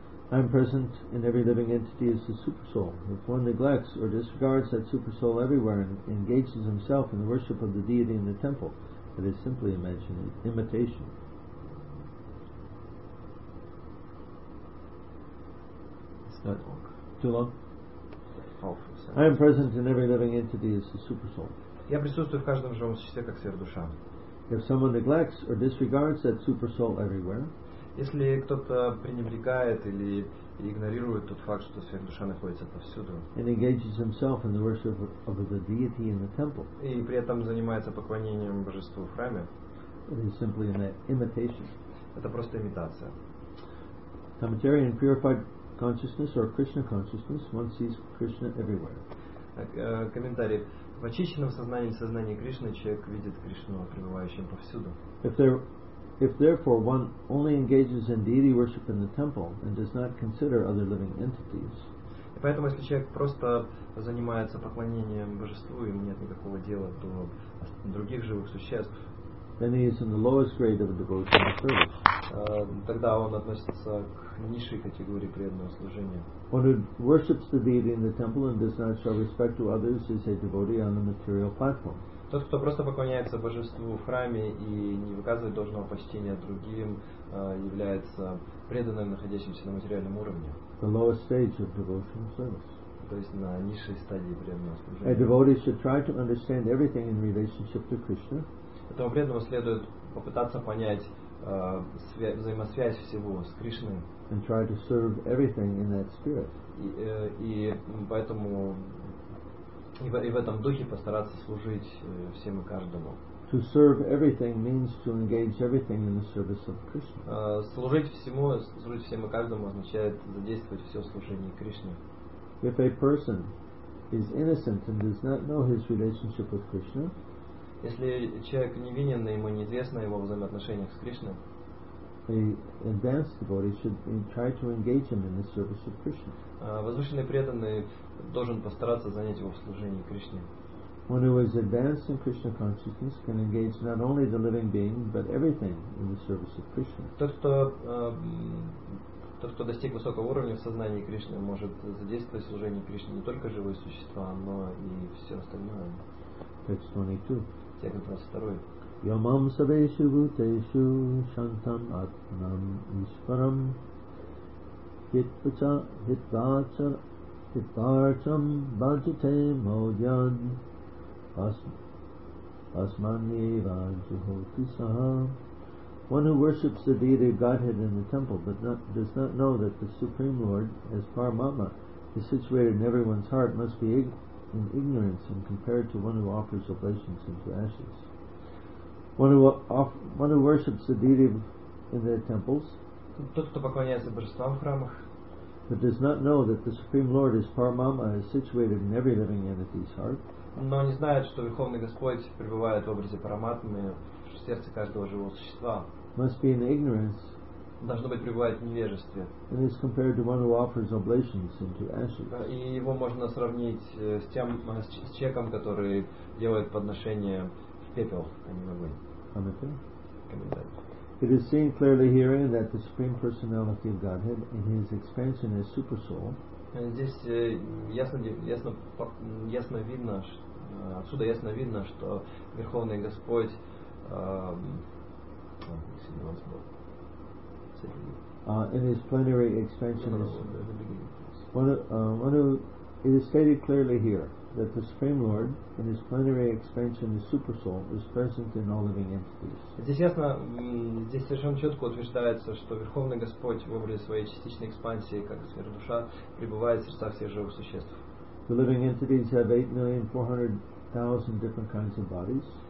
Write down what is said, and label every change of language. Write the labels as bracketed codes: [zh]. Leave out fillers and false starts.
[en] I am present in every living entity as the Supersoul. If one neglects or disregards that Supersoul everywhere and engages himself in the worship of the deity in the temple, it is simply imitation. Is that long? Too long? Oh, I am present in every living entity as the Supersoul. [ru] Я присутствую в каждом живом существе как сверхдуша. [en] If someone neglects or disregards that Supersoul everywhere, [ru] если кто-то пренебрегает или игнорирует тот факт, что сверхдуша находится повсюду, [en] and engages himself in the worship of the deity in the temple, [ru] и при этом занимается поклонением божеству в храме, [en] it is simply an imitation. [ru] Это просто имитация. [en] The material and purified consciousness or Krishna consciousness, one sees Krishna everywhere. [ru] Комментарий. В очищенном сознании или сознании Кришны человек видит Кришну пребывающим повсюду. [en] If therefore one only engages in deity worship in the temple and does not consider other living entities, [ru] и поэтому если человек просто занимается поклонением божеству и нет никакого дела до других живых существ, [en] then he is in the lowest grade of devotional service. [ru] Тогда он относится к низшей категории преданного служения. [en] One who worships the deity in the temple and does not show respect to others is a devotee on the material platform. [ru] Тот, кто просто поклоняется божеству в храме и не выказывает должного почтения другим, является преданным, находящимся на материальном уровне. [en] The lowest stage of devotional service. [ru] То есть на низшей стадии преданного служения. [en] A devotee should try to understand everything in relationship to Krishna. [ru] Поэтому преданному следует попытаться понять взаимосвязь всего с Кришной. [en] And try to serve everything in that spirit. [ru] И в этом духе постараться служить всем и каждому. [en] To serve everything means to engage everything in the service of Krishna. [ru] Служить всем и каждому означает задействовать все служение Кришне. [en] If a person is innocent and does not know his relationship with Krishna, [ru] если человек невинен, ему неизвестно его взаимоотношениях с Кришной, [en] the advanced devotee should try to engage him in the service of Krishna. [ru] Возвышенный преданный должен постараться занять его в служении Кришне. [en] One who is advanced in Krishna consciousness can engage not only the living being, but everything in the service of Krishna. [ru] Тот, кто достиг высокого уровня в сознании Кришны, может задействовать в служении Кришне не только живые существа, но и все остальное. [en] Text 22. [ru] Текст 22. [sa] Yamam sabeshu bhuteshu shantam atmanam ishvaram hitvacham bhajate maudyan asmanyeva juhoti saha. [en] One who worships the deity of Godhead in the temple but does not know that the Supreme Lord as Paramatma is situated in everyone's heart must be in ignorance and compared to one who offers oblations into ashes. One who worships the deity in their temples, [ru] тот, кто поклоняется божествам в храмах, [en] but does not know that the Supreme Lord is Paramatma is situated in every living entity's heart, [ru] но не знает, что Верховный Господь пребывает в образе Параматмы в сердце каждого живого существа, [en] must be in ignorance, [ru] должно быть пребывает в невежестве, [en] and is compared to one who offers oblations into ashes. [ru] И его можно сравнить с тем, с человеком, который делает подношение [en] It is seen clearly herein that the Supreme Personality of Godhead in his expansion as Supersoul. In his plenary expansion as one who It is stated clearly here that the Supreme Lord, in His plenary expansion, the Super Soul, is present in all living entities. [ru] Здесь ясно, здесь совершенно четко утверждается, что Верховный Господь в образе своей частичной экспансии, как сверхдуша, пребывает в сердцах всех живых существ. [en] The living entities have 8,400,000 different kinds of bodies.